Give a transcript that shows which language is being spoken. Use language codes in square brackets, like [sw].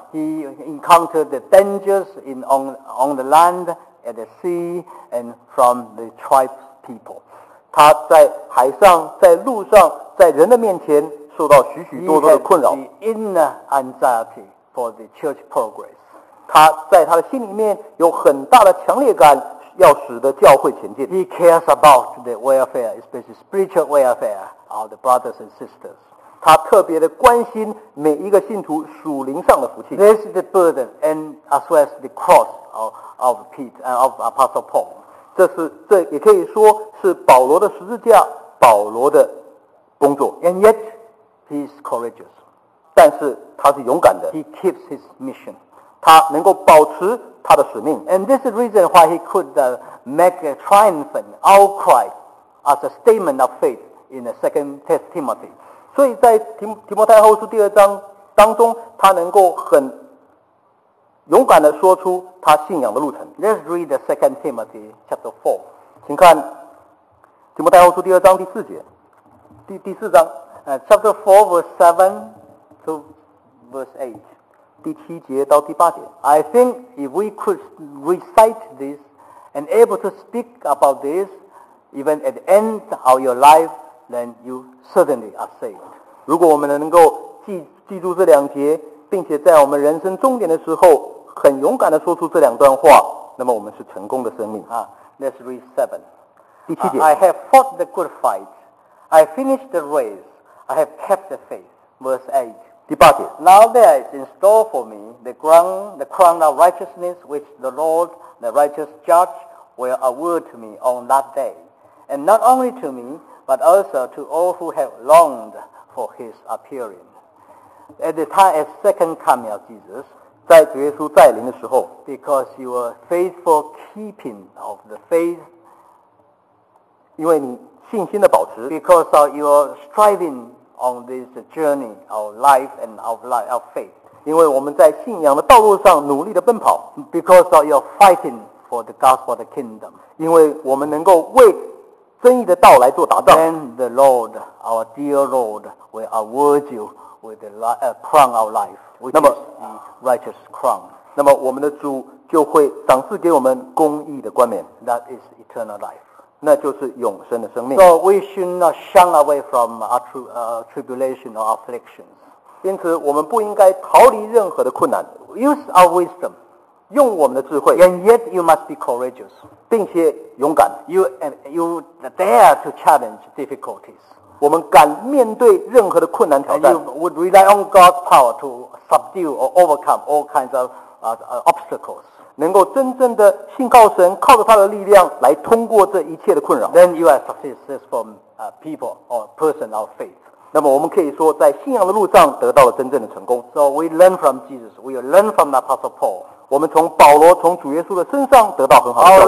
[en] He encountered the dangers on the land, at the sea, and from the tribe people. [zh] 他在海上，在路上，在人的面前受到许许多多的困扰。 [en] He had the inner anxiety for the church progress. [zh] 他在他的心里面有很大的强烈感，要使得教会前进。 [en] He cares about the welfare, especially spiritual welfare. All the brothers and sisters. [zh] 他特别的关心每一个信徒属灵上的福气。 [en] This is the burden and as well as the cross of Peter and of Apostle Paul. [zh] 这也可以说是保罗的十字架，保罗的工作。 [en] And yet, he is courageous. [zh] 但是他是勇敢的。 [en] He keeps his mission. [zh] 他能够保持他的使命。 [en] And this is the reason why he could make a triumphant outcry as a statement of faith. In the second Timothy, [zh] 所以在提摩太后书第二章当中，他能够很勇敢的说出他信仰的路程。 [en] Let's read the second Timothy chapter 4. [zh] 请看提摩太后书第二章第四节，第四章。 [en] Chapter 4 verse 7 to verse 8. [zh] 第七节到第八节。 [en] I think if we could recite this and able to speak about this, even at the end of your life. Then you certainly are saved. [zh] 如果我们能够 记住这两节，并且在我们人生终点的时候很勇敢地说出这两段话，那么我们是成功的生命。 [en] Let's read 7. [zh] 第七节。 [en] I have fought the good fight. I finished the race. I have kept the faith. Verse 8. [zh] 第八节。 [en] Now there is in store for me the crown of righteousness which the Lord, the righteous judge, were a word to me on that day, and not only to me, but also to all who have longed for his appearing. At the time of second coming of Jesus, [zh] 在主耶稣再临的时候, [en] because you were faithful keeping of the faith, [zh] 因为你信心的保持, [en] because of your striving on this journey of life and of life of faith. [zh] 因为我们在信仰的道路上努力的奔跑 [en] ，because of your fighting for the gospel, the kingdom. [zh] 因为我们能够为真义的道来做打仗。 [en] Then the Lord, our dear Lord, will award you with the crown of life, which is the righteous crown. [zh] 那么我们的主就会赏赐给我们公义的冠冕。 [en] That is eternal life. [zh] 那就是永生的生命。 [en] So we should not shun away from our tribulation or afflictions. [zh] 因此我们不应该逃离任何的困难 [en] Use our wisdom [zh] 用我们的智慧 [en] And yet you must be courageous [zh] 并且勇敢 [en] You dare to challenge difficulties [zh] 我们敢面对任何的困难挑战 [en] And you would rely on God's power to subdue or overcome all kinds of obstacles [zh] 能够真正的信靠神靠着他的力量来通过这一切的困扰 [en] Then you are successful people or person of faith [zh] 那么我们可以说，在信仰的路上得到了真正的成功。 [en] So we learn from Jesus, we learn from the Apostle Paul. [zh] 我们从保罗、从主耶稣的身上得到很好的教训。